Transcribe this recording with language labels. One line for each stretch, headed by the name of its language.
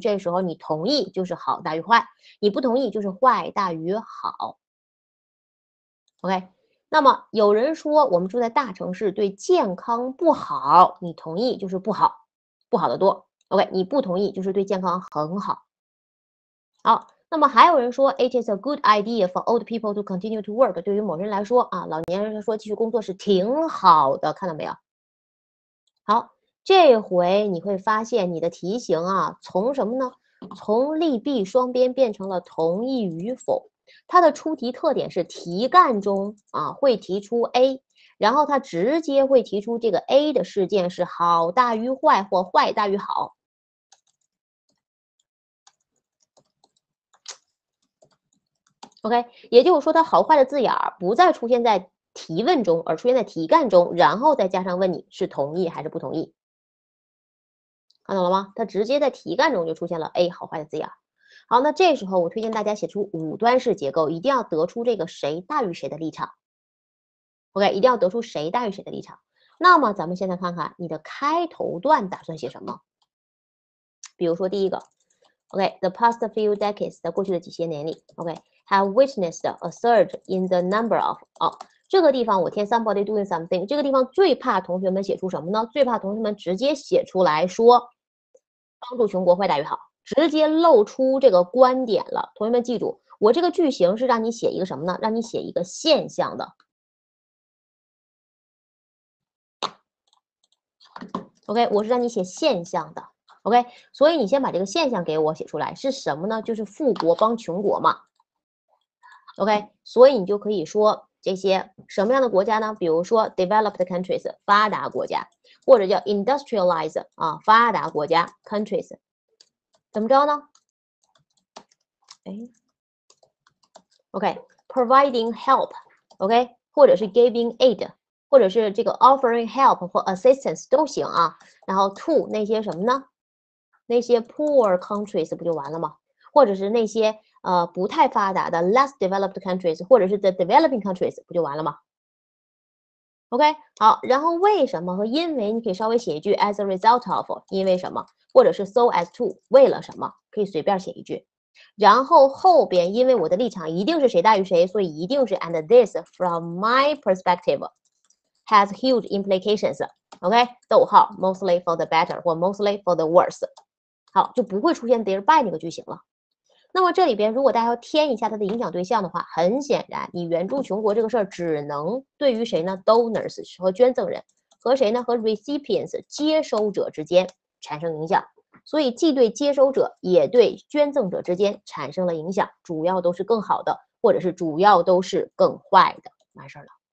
Chinese: 这时候你同意就是好大于坏，你不同意就是坏大于好。 OK， 那么有人说我们住在大城市对健康不好，你同意就是不好，不好的多。 OK， 你不同意就是对健康很好。好，那么还有人说
English: ，It is a good idea for old people to continue to work。
Chinese: 对于某人来说啊，老年人说继续工作是挺好的，看到没有？好，这回你会发现你的题型啊，从什么呢？从利弊双边变成了同意与否。它的出题特点是题干中啊会提出 A， 然后它直接会提出这个 A 的事件是好大于坏或坏大于好。 OK， 也就是说它好坏的字眼不再出现在提问中，而出现在题干中，然后再加上问你是同意还是不同意。看到了吗？它直接在题干中就出现了 A 好坏的字眼。好，那这时候我推荐大家写出五段式结构，一定要得出这个谁大于谁的立场。 OK， 一定要得出谁大于谁的立场。那么咱们现在看看你的开头段打算写什么。
English: 比如说第一个 ,OK, the past few decades,
Chinese: 在过去的几些年里
English: ,OK,Have witnessed a surge in the number of
Chinese: 哦，这个地方我填
English: somebody doing something。
Chinese: 这个地方最怕同学们写出什么呢？最怕同学们直接写出来说帮助穷国坏大于好，直接露出这个观点了。同学们记住，我这个句型是让你写一个什么呢？让你写一个现象的。 OK， 我是让你写现象的。OK， 所以你先把这个现象给我写出来，是什么呢？就是富国帮穷国嘛。OK， 所以你就可以说这些什么样的国家呢？比如说
English: developed countries
Chinese: 发达国家，或者叫 industrialized 啊发达国家 countries， 怎么着呢？
English: 哎 ，OK， providing help， OK， 或者是 giving aid，
Chinese: 或者是这个
English: offering help 或 assistance 都行啊。
Chinese: 然后 to 那些什么呢？那些
English: poor countries
Chinese: 不就完了吗？或者是那些不太发达的
English: less developed countries，
Chinese: 或者是
English: the developing countries，
Chinese: 不就完了吗？ OK， 好，然后为什么和因为你可以稍微写一句
English: as a result of，
Chinese: 因为什么，或者是
English: so as to，
Chinese: 为了什么，可以随便写一句。然后后边因为我的立场一定是谁大于谁，所以一定是
English: and this from my perspective has huge implications， OK， 逗号 mostly for the better 或 mostly for the worse，
Chinese: 好，就不会出现
English: there by
Chinese: 那个句型了。那么这里边如果大家要添一下它的影响对象的话，很显然你援助穷国这个事儿只能对于谁呢？ donors 和捐赠人，和谁呢？和 recipients 接收者之间产生影响，所以既对接收者也对捐赠者之间产生了影响，主要都是更好的，或者是主要都是更坏的，完事了。